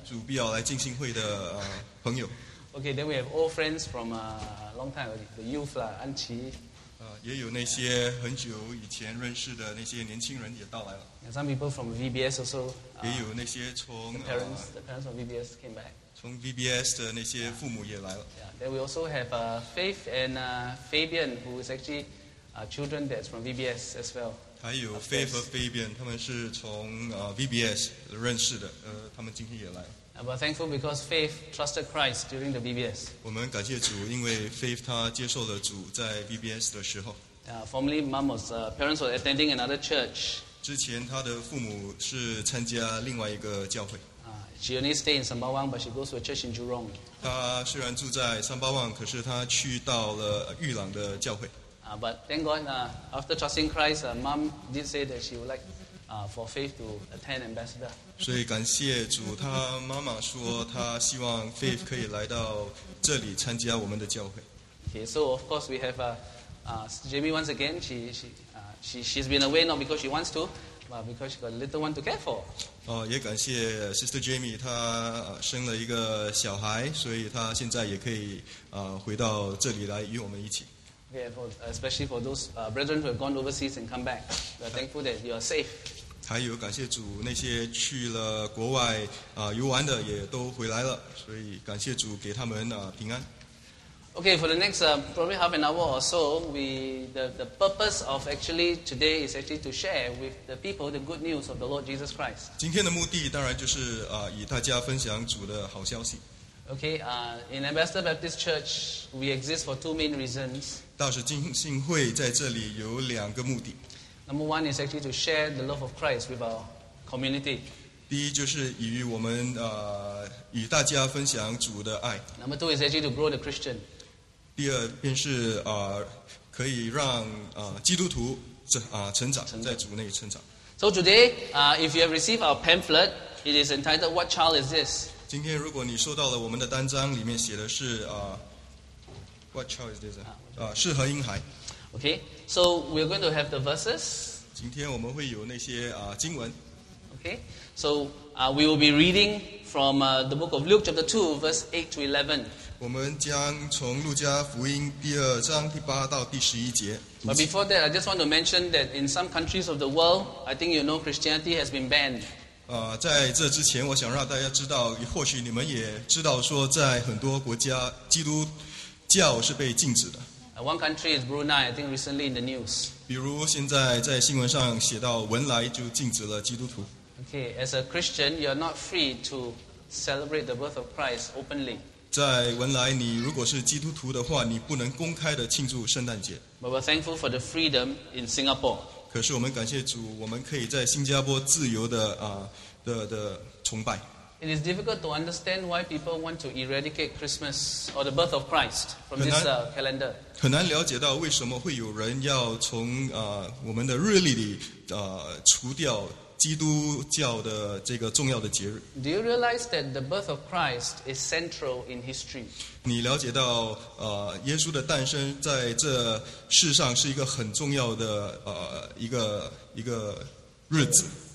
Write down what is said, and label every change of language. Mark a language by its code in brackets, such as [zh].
[zh] 主必要来进信会的朋友。 [en] Okay, then we have old friends from a long time ago, the youth, An Qi. [zh] 也有那些很久以前认识的那些年轻人也到来了。 [en] Yeah, some people from VBS also. [zh] 也有那些从 [en] the parents from VBS came back. [zh] 从 VBS 的那些父母也来了。 [en] Yeah, then we also have Faith and Fabian, who is actually children that's from VBS as well. [zh] 还有 Faith 和 Fabian, 他们是从VBS 认识的，他们今天也来了。 [en] But thankful because Faith trusted Christ during the VBS. [zh] 我们感谢主，因为 Faith 她接受了主在 VBS 的时候。 [en] Formerly, Mom's parents were attending another church. [zh] 之前她的父母是参加另外一个教会。 [en] She only stayed in Sembawang, but she goes to a church in Jurong. [zh] 她虽然住在 Sembawang, 可是她去到了玉朗的教会。 [en] But thank God, after trusting Christ, Mom did say that she would like for Faith to attend Ambassador. [zh] 所以感谢主，他妈妈说他希望 Faith 可以来到这里参加我们的教会。 [en] Okay, so of course we have Jamie once again. She's been away not because she wants to, but because she got a little one to care for. [zh] 也感谢 Sister Jamie, 她生了一个小孩，所以她现在也可以回到这里来与我们一起。 [en] Okay, especially for those brethren who have gone overseas and come back, we are thankful that you are safe. [zh] 还有感谢主，那些去了国外游玩的也都回来了，所以感谢主给他们平安。 [en] Okay, for the next probably half an hour or so, the purpose of actually today is actually to share with the people the good news of the Lord Jesus Christ. [zh] 今天的目的当然就是与大家分享主的好消息。 [en] Okay, in Ambassador Baptist Church, we exist for two main reasons. [zh] 大使进信会在这里有两个目的。 [en] Number one is actually to share the love of Christ with our community. [zh] 第一就是与我们与大家分享主的爱。 [en] Number two is actually to grow the Christian. [zh] 第二便是可以让基督徒成长，在主内成长。 [en] So today, if you have received our pamphlet, it is entitled "What Child Is This?" [zh] 今天如果你收到了我们的单张，里面写的是 [en] "What Child Is This?" [zh] 是何婴孩。 [en] Okay, so we're going to have the verses. [zh] 今天我们会有那些经文。 [en] Okay, so we will be reading from the book of Luke chapter 2, verse 8 to 11. [zh] 我们将从路加福音第二章第八到第十一节。 [en] But before that, I just want to mention that in some countries of the world, I think you know Christianity has been banned. [zh] 在这之前，我想让大家知道，或许你们也知道说，在很多国家，基督教是被禁止的。 [en] One country is Brunei, I think recently in the news. [zh] 比如现在在新闻上写到文莱就禁止了基督徒。 [en] Okay, as a Christian, you are not free to celebrate the birth of Christ openly. [zh] 在文莱，你如果是基督徒的话，你不能公开的庆祝圣诞节。 [en] But we're thankful for the freedom in Singapore. [zh] 可是我们感谢主，我们可以在新加坡自由的的崇拜。 [en] It is difficult to understand why people want to eradicate Christmas or the birth of Christ from this calendar. [zh] 很难了解到为什么会有人要从我们的日历里除掉基督教的这个重要的节日。 [en] Do you realize that the birth of Christ is central in history? [zh] 你了解到耶稣的诞生在这世上是一个很重要的一个日子。